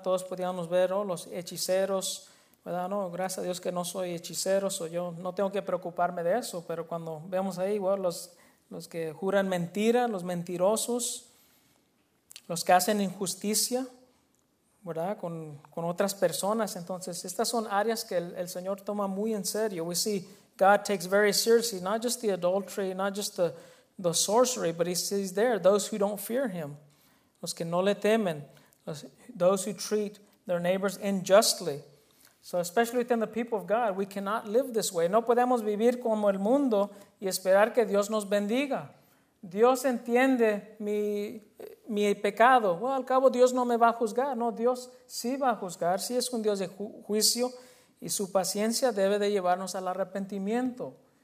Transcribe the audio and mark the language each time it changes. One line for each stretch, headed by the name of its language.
Spanish: Todos podíamos ver, ¿no?, los hechiceros, ¿verdad? No, gracias a Dios que no soy hechicero, soy yo. No tengo que preocuparme de eso. Pero cuando vemos ahí, bueno, los que juran mentira, los mentirosos, los que hacen injusticia, ¿verdad?, con otras personas. Entonces, estas son áreas que el Señor toma muy en serio.
English: We see God takes very seriously, not just the adultery, not just the sorcery, but he sees there those who don't fear him,
Spanish: los que no le temen,
English: those who treat their neighbors unjustly. So especially within the people of God, we cannot live this way.
Spanish: No podemos vivir como el mundo y esperar que Dios nos bendiga. Dios entiende mi pecado. Bueno, al cabo, Dios no me va a juzgar. No, Dios sí va a juzgar. Sí es un Dios de juicio. Y su paciencia debe de llevarnos al arrepentimiento.